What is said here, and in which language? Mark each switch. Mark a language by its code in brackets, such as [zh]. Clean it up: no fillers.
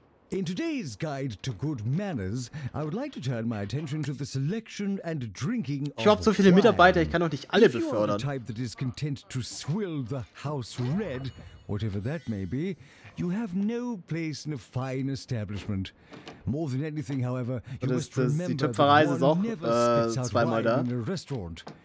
[en] In today's guide to good manners, I would like to turn my attention to the selection and drinking of [de] wine. Ich habe so viele Mitarbeiter, ich kann doch nicht alle befördern. [en] If you are the type that is content to swill the house red, whatever that may be, you have no place in a fine establishment. More than anything, however, you must remember that one never spits out wine in a restaurant.